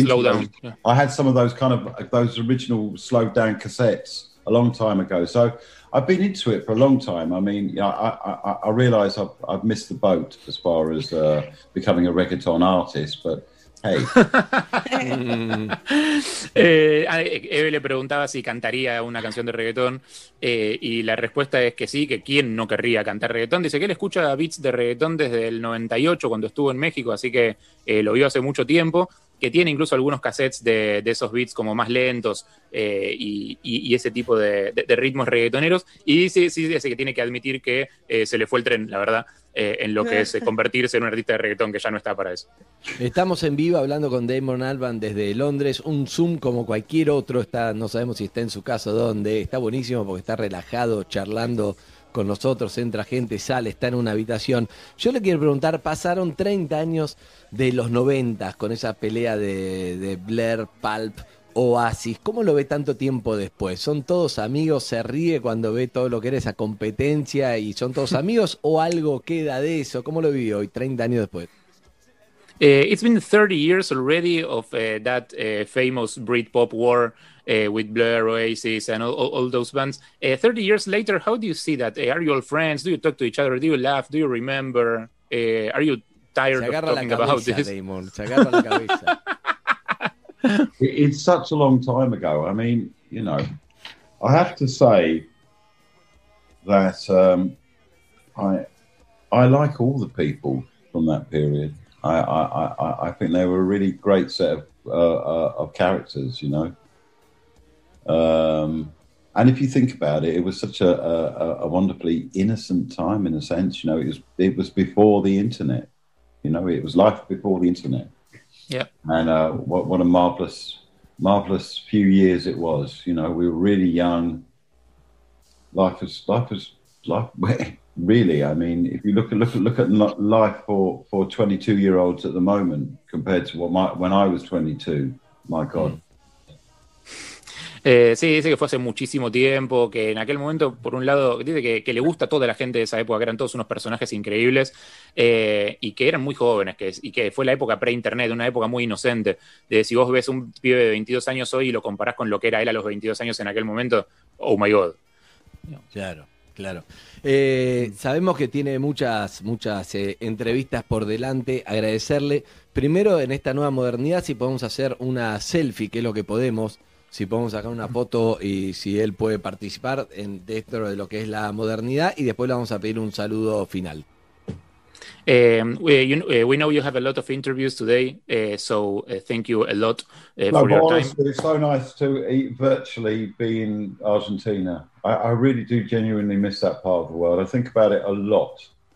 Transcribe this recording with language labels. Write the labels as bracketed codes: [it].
[en] slow down. Yeah. I had some of those kind of those original slowed down cassettes a long time ago. So I've been into it for a long time. I mean, I realize I've missed the boat as far as becoming a reggaeton artist, but. Hey. [es] Eve le preguntaba si cantaría una canción de reggaetón y la respuesta es que sí, que quién no querría cantar reggaetón. Dice que él escucha beats de reggaetón desde el 98 cuando estuvo en México, así que lo vio hace mucho tiempo, que tiene incluso algunos cassettes de esos beats como más lentos y ese tipo de ritmos reggaetoneros. Y dice que tiene que admitir que se le fue el tren, la verdad. En lo que es convertirse en un artista de reggaetón que ya no está para eso. Estamos en vivo hablando con Damon Albarn desde Londres, un Zoom como cualquier otro, no sabemos si está en su casa o dónde, está buenísimo porque está relajado charlando con nosotros, entra gente, sale, está en una habitación. Yo le quiero preguntar, pasaron 30 años de los 90 con esa pelea de Blur, Pulp, Oasis, ¿cómo lo ve tanto tiempo después? ¿Son todos amigos? ¿Se ríe cuando ve todo lo que era esa competencia y son todos amigos? ¿O algo queda de eso? ¿Cómo lo vive hoy, 30 años después? [en] It's been 30 years already of that famous Britpop war with Blur, Oasis and all those bands. 30 years later, how do you see that? Are you all friends? Do you talk to each other? Do you laugh? Do you remember? Are you tired of talking about this? [es] Se agarra la cabeza, Damon. Se agarra la cabeza. [en] It's such a long time ago. I mean, you know, I have to say that I like all the people from that period. I think they were a really great set of characters, you know. And if you think about it, it was such a wonderfully innocent time in a sense. You know, it was before the internet. You know, it was life before the internet. Yeah, and what a marvelous few years it was. You know, we were really young. Life was really. I mean, if you look at life for 22 year olds at the moment compared to when I was 22, my God. Mm. [es] Sí, dice que fue hace muchísimo tiempo, que en aquel momento, por un lado, dice que le gusta a toda la gente de esa época, que eran todos unos personajes increíbles, y que eran muy jóvenes, y que fue la época pre-internet, una época muy inocente, de si vos ves un pibe de 22 años hoy y lo comparás con lo que era él a los 22 años en aquel momento, [en] oh my God. [es] Claro, claro. Sabemos que tiene muchas entrevistas por delante, agradecerle, primero en esta nueva modernidad, si podemos hacer una selfie, que es lo que podemos, si podemos sacar una foto y si él puede participar dentro de lo que es la modernidad, y después le vamos a pedir un saludo final. [en] We know you have a lot of interviews today, so thank you a lot for your time. Honestly, it's so nice to eat virtually be in Argentina. I really do genuinely miss that part of the world. I think about it a lot.